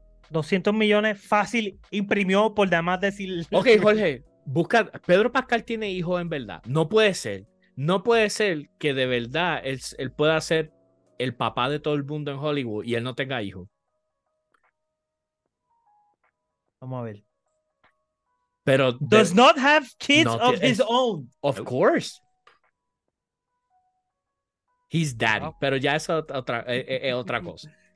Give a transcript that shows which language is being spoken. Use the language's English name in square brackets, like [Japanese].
[Spanish] 200 millones fácil imprimió por demás decir... Ok, Jorge, busca... Pedro Pascal tiene hijos en verdad. No puede ser. No puede ser que de verdad él pueda ser el papá de todo el mundo en Hollywood y él no tenga hijos. Vamos a ver. Pero... [English] Does not have kids of his own. Of course. He's daddy, [Spanish] pero ya es otra cosa.